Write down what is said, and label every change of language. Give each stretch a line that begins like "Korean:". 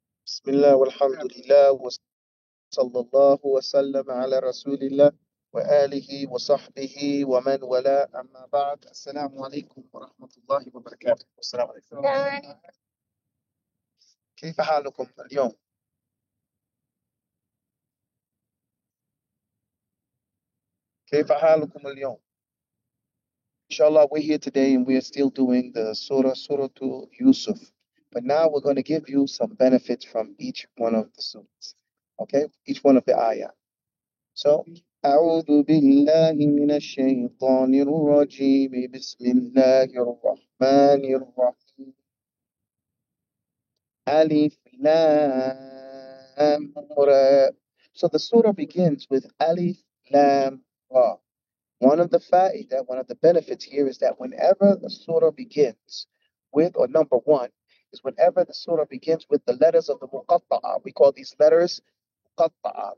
Arabic: بسم الله والحمد لله وصلى الله وسلم على رسول الله وآله وصحبه ومن والاه. أما بعد، السلام عليكم ورحمة الله وبركاته. السلام عليكم. كيف حالكم اليوم؟ كيف حالكم اليوم؟ إن شاء الله
English: we're here today and we are still doing the surah, surah to Yusuf. But now we're going to give you some benefits from each one of the surahs, okay? Each one of the ayah. So,
Arabic: أعوذ بالله من الشيطان الرجيم بسم الله الرحمن الرحيم ألف لام را.
English: So the surah begins with
Arabic: ألف لام را.
English: One of the faida, one of the benefits here is that whenever the surah begins with, or number one, is whenever the surah begins with the letters of the muqatta'a, we call these letters muqatta'a.